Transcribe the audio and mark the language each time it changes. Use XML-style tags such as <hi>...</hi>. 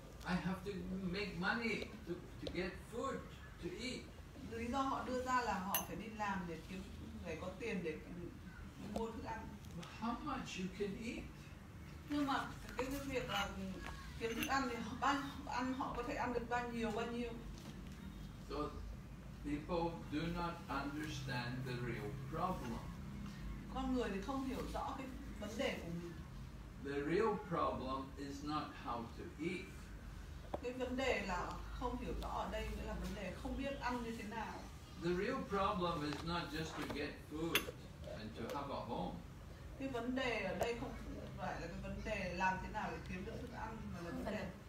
<en>I have to make money to to get food to eat.</en> <vi>Lý do họ đưa ra là họ phải đi làm để kiếm, để có tiền để mua thức ăn.</vi> <en>But how much you can eat?</en> <vi>Nhưng mà cái việc là kiếm thức ăn thì họ có thể ăn được bao nhiêu.</vi> <en>So people do not understand the real problem.</en> <vi>Con người thì không hiểu rõ cái vấn đề của mình.</vi> <en>The real problem is not how to eat.</en> <vi>Cái vấn đề là không hiểu rõ ở đây nghĩa là vấn đề không biết ăn như thế nào.</vi> <en>The real problem is not just to get food and to have a home.</en> <vi>Cái vấn đề ở đây không phải là cái vấn đề làm thế nào để kiếm được thức ăn mà là vấn đề.</vi>